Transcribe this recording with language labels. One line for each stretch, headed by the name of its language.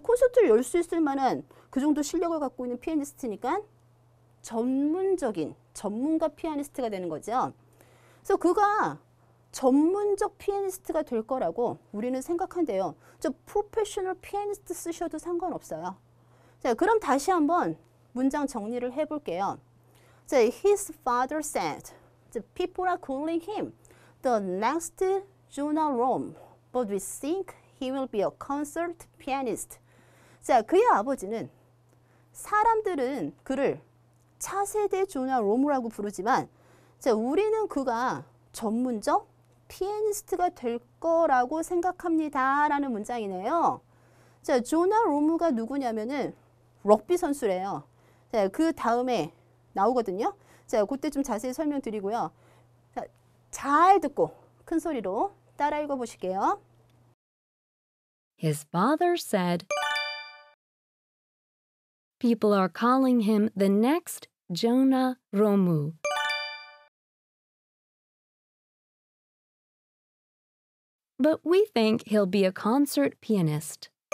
Korean: 콘서트를 열 수 있을 만한 그 정도 실력을 갖고 있는 피아니스트니까 전문적인 전문가 피아니스트가 되는 거죠. 그래서 그가 전문적 피아니스트가 될 거라고 우리는 생각한대요. 저 프로페셔널 피아니스트 쓰셔도 상관없어요. 자, 그럼 다시 한번 문장 정리를 해 볼게요.
English: So his father said, the people are calling him the next Jonah Rom, but we think he will be a concert pianist.
Korean: 자, 그의 아버지는 사람들은 그를 차세대 조나 롬이라고 부르지만, 자, 우리는 그가 전문적 피아니스트가 될 거라고 생각합니다. 라는 문장이네요. 자, 조나 롬우가 누구냐면은 럭비 선수래요. 자, 그 다음에 나오거든요. 자, 그때 좀 자세히 설명드리고요. 자, 잘 듣고 큰 소리로 따라 읽어 보실게요.
English: His father said, people are calling him the next Jonah Rom-u. But we think he'll be a concert pianist.